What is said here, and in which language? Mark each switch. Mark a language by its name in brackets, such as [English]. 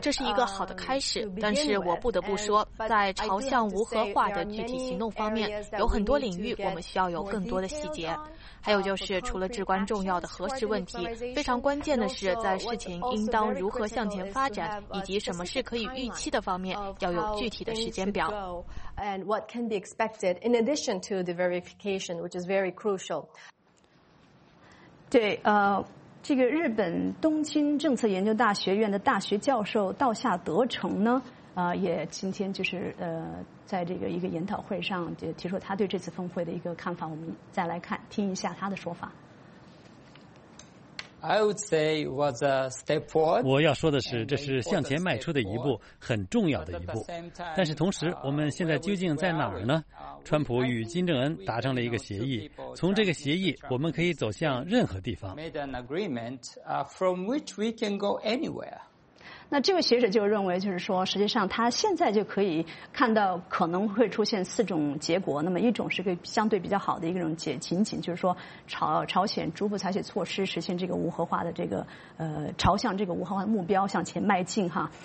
[Chinese] 这是一个好的开始，但是我不得不说，在朝向无核化的具体行动方面，有很多领域我们需要有更多的细节。还有就是，除了至关重要的核实问题，非常关键的是，在事情应当如何向前发展，以及什么是可以预期的方面，要有具体的时间表。 [English] And what can be expected in addition to the verification, which is very crucial. [Chinese] 对，这个日本东京政策研究大学院的大学教授道下德成呢，也今天就是在这个一个研讨会上就提出他对这次峰会的一个看法，我们再来看听一下他的说法。 [English] I would say it was a step forward. [Chinese] 我要说的是，这是向前迈出的一步，很重要的一步。但是同时，我们现在究竟在哪儿呢？川普与金正恩达成了一个协议，从这个协议，我们可以走向任何地方。 [English] Made an agreement from which we can go anywhere. [Chinese] 那这位学者就认为，就是说，实际上他现在就可以看到可能会出现四种结果。那么一种是个相对比较好的一种情景，就是说朝鲜逐步采取措施，实现这个无核化的这个朝向这个无核化的目标向前迈进哈。